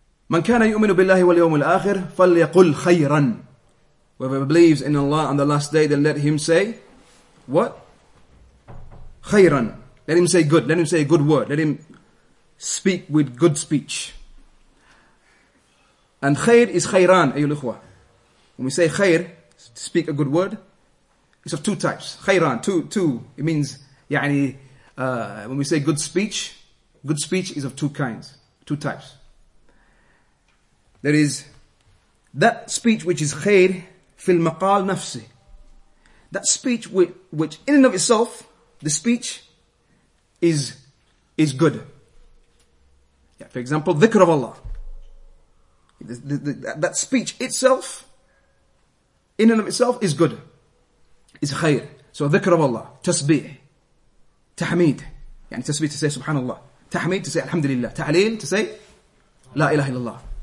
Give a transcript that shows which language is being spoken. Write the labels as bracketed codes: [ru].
[ar] من كان يؤمن بالله واليوم الآخر فليقل خيرا. [en] Whoever believes in Allah on the last day, then let him say, what? خيرا. Let him say good. Let him say a good word. Let him speak with good speech. And خير is [ar] خيران, أيها الإخوة. [en] When we say خير, speak a good word, it's of two types. خيران, two. It means, يعني, when we say good speech is of two kinds, two types. There is that speech which is [ar] خير في المقال نفسه. [en] That speech which in and of itself, the speech is good. Yeah, for example, ذكر of Allah. That speech itself, in and of itself, is good. Is khair. So, ذكر of Allah. تسبيح. تحميد. [ar] يعني تسبيح [en] to say [ar] سبحان الله. تحميد to say الحمد لله. تحليل to say لا إله إلا الله.